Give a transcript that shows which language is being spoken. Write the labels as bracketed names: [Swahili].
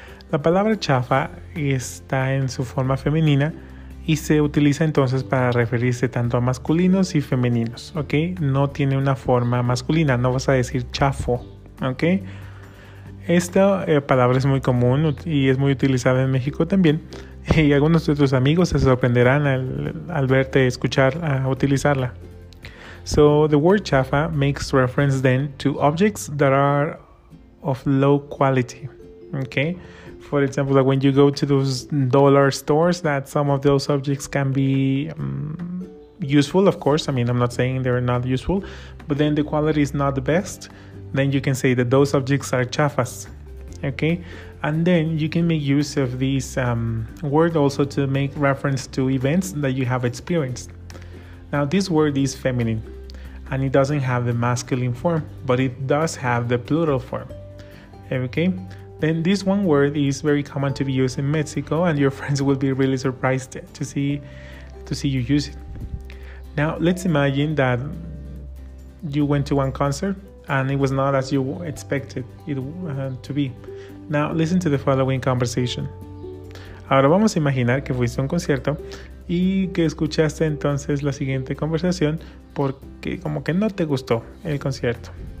[Spanish] La palabra chafa está en su forma femenina y se utiliza entonces para referirse tanto a masculinos y femeninos, ¿ok? No tiene una forma masculina, no vas a decir chafo, ¿ok? Esta palabra es muy común y es muy utilizada en México también. Y algunos de tus amigos se sorprenderán al verte escuchar utilizarla. [English] So, the word chafa makes reference then to objects that are of low quality. Okay? For example, like when you go to those dollar stores, that some of those objects can be useful, of course. I mean, I'm not saying they're not useful, but then the quality is not the best. Then you can say that those objects are chafas, okay? And then you can make use of this word also to make reference to events that you have experienced. Now, this word is feminine, and it doesn't have the masculine form, but it does have the plural form, okay? Then this one word is very common to be used in Mexico, and your friends will be really surprised to see you use it. Now, let's imagine that you went to one concert, and it was not as you expected it to be. Now, listen to the following conversation. [Spanish] Ahora vamos a imaginar que fuiste a un concierto y que escuchaste entonces la siguiente conversación porque como que no te gustó el concierto.